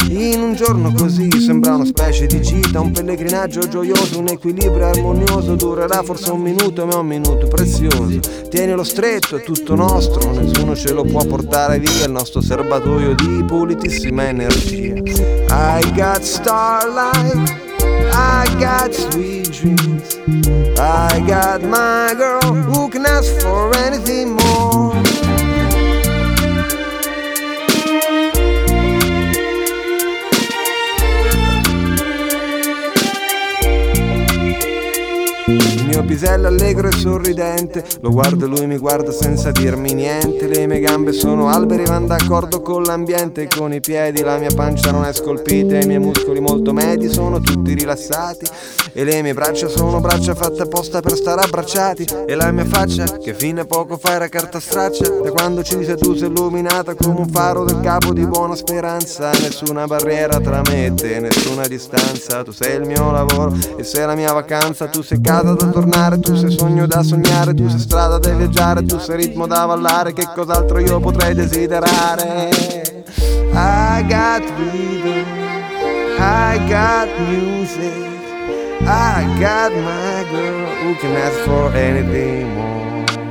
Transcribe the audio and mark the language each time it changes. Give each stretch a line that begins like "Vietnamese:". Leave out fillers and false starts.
Italian: In un giorno così sembra una specie di gita, un pellegrinaggio gioioso, un equilibrio armonioso. Durerà forse un minuto, ma è un minuto prezioso. Tienilo stretto, è tutto nostro, nessuno ce lo può portare via, il nostro serbatoio di pulitissima energia.
English: I got starlight, I got sweet dreams, I got my girl who can ask for anything more.
Italian: Pisello allegro e sorridente, lo guardo e lui mi guarda senza dirmi niente. Le mie gambe sono alberi, vanno d'accordo con l'ambiente. Con i piedi la mia pancia non è scolpita, i miei muscoli molto medi sono tutti rilassati. E le mie braccia sono braccia fatte apposta per stare abbracciati. E la mia faccia, che fino a poco fa era carta straccia, da quando ci sei tu si è illuminata come un faro del capo di buona speranza. Nessuna barriera tra me e te, nessuna distanza. Tu sei il mio lavoro e sei la mia vacanza. Tu sei casa da tornare, tu sei sogno da sognare, tu sei strada da viaggiare, tu sei ritmo da ballare, che cos'altro io potrei desiderare?
English: I got rhythm, I got music, I got my girl who can ask for anything more.